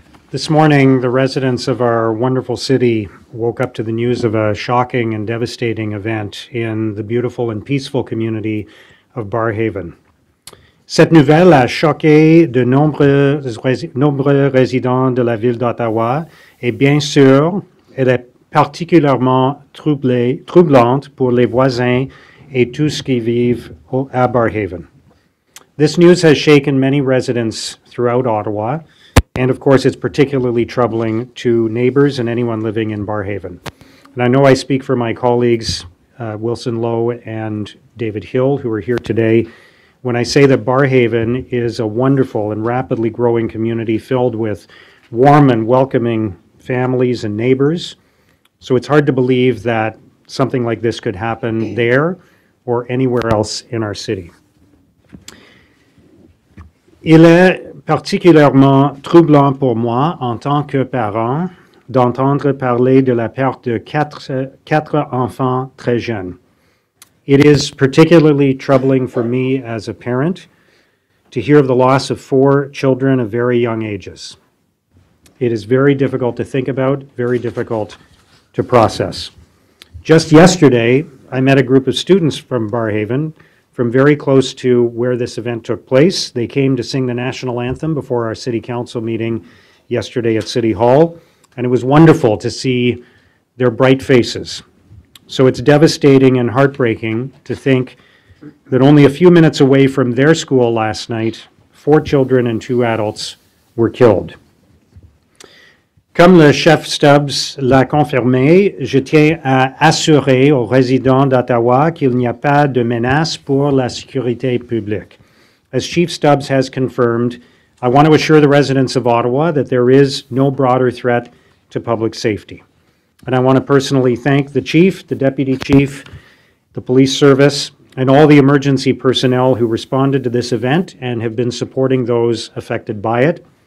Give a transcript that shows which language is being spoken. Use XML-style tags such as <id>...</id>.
<en>This morning, the residents of our wonderful city woke up to the news of a shocking and devastating event in the beautiful and peaceful community of Barrhaven.</en> <fr>Cette nouvelle a choqué de nombreux résidents de la ville d'Ottawa et bien sûr, elle est particulièrement troublante pour les voisins et tous ceux qui vivent à Barrhaven.</fr> <en>This news has shaken many residents throughout Ottawa and of course it's particularly troubling to neighbors and anyone living in Barrhaven. And I know I speak for my colleagues, Wilson Lowe and David Hill, who are here today, when I say that Barrhaven is a wonderful and rapidly growing community filled with warm and welcoming families and neighbors. So it's hard to believe that something like this could happen there or anywhere else in our city.</en> <fr>Il est particulièrement troublant pour moi en tant que parent d'entendre parler de la perte de quatre enfants très jeunes.</fr> <en>It is particularly troubling for me as a parent to hear of the loss of four children of very young ages. It is very difficult to think about, very difficult to process. Just yesterday, I met a group of students from Barrhaven, from very close to where this event took place. They came to sing the national anthem before our city council meeting yesterday at City Hall, and it was wonderful to see their bright faces. So it's devastating and heartbreaking to think that only a few minutes away from their school last night, four children and two adults were killed.</en> <fr>Comme le chef Stubbs l'a confirmé, je tiens à assurer aux résidents d'Ottawa qu'il n'y a pas de menace pour la sécurité publique.</fr> <en>As Chief Stubbs has confirmed, I want to assure the residents of Ottawa that there is no broader threat to public safety. And I want to personally thank the chief, the deputy chief, the police service, and all the emergency personnel who responded to this event and have been supporting those affected by it.</en>